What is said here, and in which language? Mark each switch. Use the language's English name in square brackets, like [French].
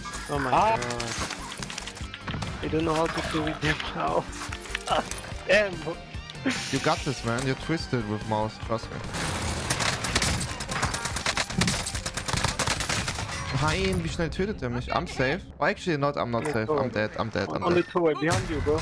[English] Oh my god. I don't know how to play with the mouse. Damn, bro. You got this, man. You're twisted with mouse, trust me. [German] Nein, wie schnell tötet er mich? [English] I'm safe. Well, actually not, I'm not safe. I'm dead, I'm dead, I'm dead. Only two way behind you, bro.